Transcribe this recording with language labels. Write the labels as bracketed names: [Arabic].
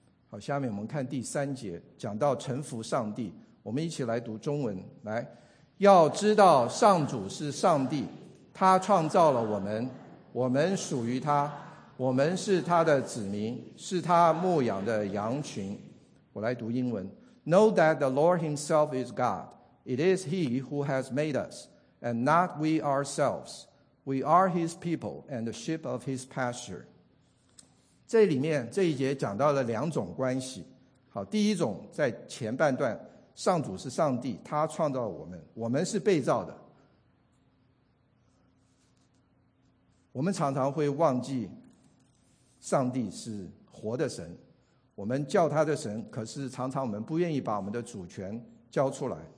[Chinese] 好，下面我们看第三节，讲到臣服上帝，我们一起来读中文。来，要知道上主是上帝，他创造了我们，我们属于他，我们是他的子民，是他牧养的羊群。我来读英文。 [English] Know that the Lord himself is God. It is he who has made us, and not we ourselves. We are his people and the sheep of his pasture. [Chinese] 这里面这一节讲到了两种关系。好，第一种在前半段，上主是上帝，他创造我们，我们是被造的。我们常常会忘记上帝是活的神，我们叫他的神，可是常常我们不愿意把我们的主权交出来。